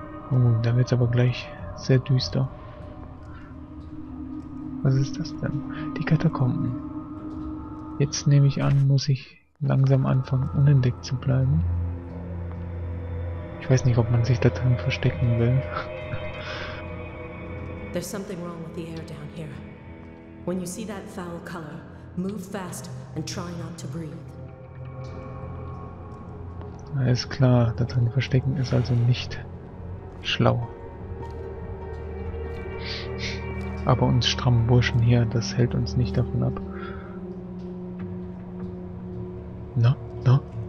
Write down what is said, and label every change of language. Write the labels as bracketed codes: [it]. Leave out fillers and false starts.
[de] Oh, da wird es aber gleich sehr düster. Was ist das denn? Die Katakomben. Jetzt nehme ich an, muss ich langsam anfangen, unentdeckt zu bleiben. Ich weiß nicht, ob man sich da drin verstecken will. [en] There's something wrong with the air down here. When you see that foul color, move fast and try not to breathe. [de] Alles klar, da drin verstecken ist also nicht schlau. Aber uns strammen Burschen hier, das hält uns nicht davon ab. Na, na?